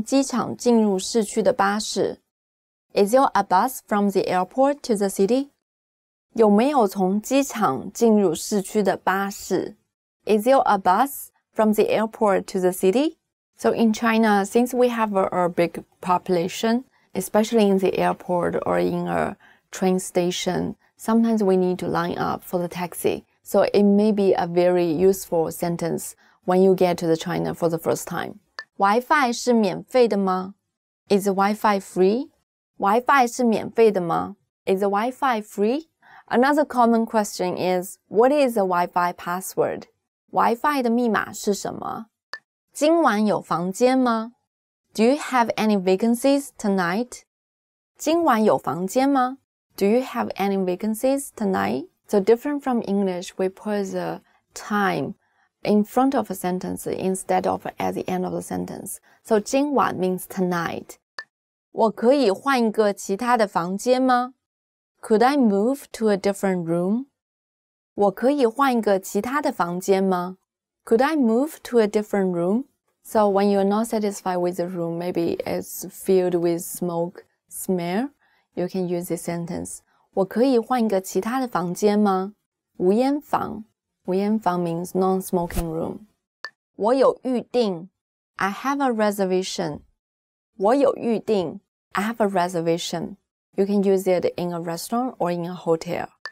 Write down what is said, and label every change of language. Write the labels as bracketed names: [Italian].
[Chinese] 有没有从机场进入市区的巴士? [English] Is there a bus from the airport to the city? [Chinese] 有没有从机场进入市区的巴士? [English] Is there a bus from the airport to the city? So in China, since we have a big population, especially in the airport or in a train station, sometimes we need to line up for the taxi. So it may be a very useful sentence when you get to the China for the first time. [Chinese] Wi-Fi 是免费的吗? [English] Is the Wi-Fi free? [Chinese] Wi-Fi 是免费的吗? [English] Is the Wi-Fi free? Another common question is, what is the Wi-Fi password? [Chinese] Wi-Fi 的密码是什么? 今晚有房间吗? [English] Do you have any vacancies tonight? [Chinese] 今晚有房间吗? [English] Do you have any vacancies tonight? So different from English, we put the time in front of a sentence instead of at the end of the sentence. So 今晚 means tonight. [Chinese] 我可以换一个其他的房间吗? [English] Could I move to a different room? [Chinese] 我可以换一个其他的房间吗? [English] Could I move to a different room? So when you're not satisfied with the room, maybe it's filled with smoke, smell, you can use this sentence. [Chinese] 我可以换一个其他的房间吗? 无烟房. [English] 无烟房 means non-smoking room. [Chinese] 我有预定. [English] I have a reservation. [Chinese] 我有预定. [English] I have a reservation. You can use it in a restaurant or in a hotel.